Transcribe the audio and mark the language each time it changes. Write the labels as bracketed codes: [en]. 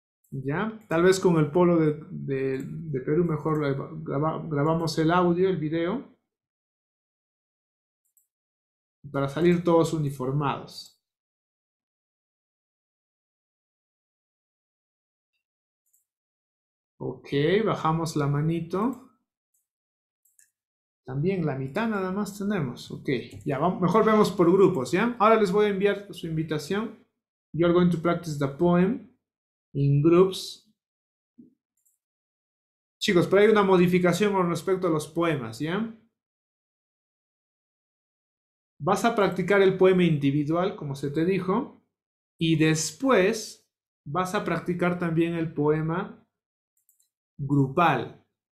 [es] ¿Ya? Tal vez con el polo de Perú mejor grabamos el audio, el video, para salir todos uniformados. Ok, bajamos la manito. También la mitad nada más tenemos. Ok, ya, vamos, mejor vemos por grupos, ¿ya? Ahora les voy a enviar su invitación. [en] You're going to practice the poem in groups. [es] Chicos, pero hay una modificación con respecto a los poemas, ¿ya? Vas a practicar el poema individual, como se te dijo. Y después vas a practicar también el poema grupal.